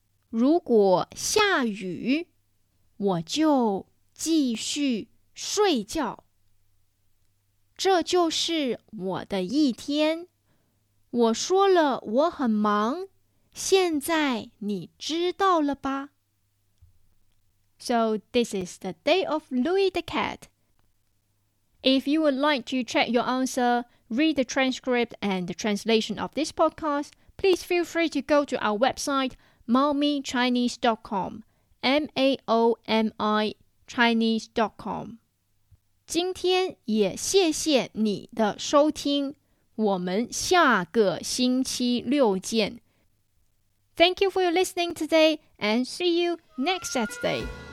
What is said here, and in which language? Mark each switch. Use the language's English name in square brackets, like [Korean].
[Chinese] 如果下雨，我就继续睡觉。这就是我的一天。我说了我很忙，现在你知道了吧？ [English] So this is the day of Louis the cat. If you would like to check your answer, read the transcript and the translation of this podcast, please feel free to go to our website, maomichinese.com, maomichinese.com. [Chinese] 今天也谢谢你的收听，我们下个星期六见。 [English] Thank you for your listening today and see you next Saturday.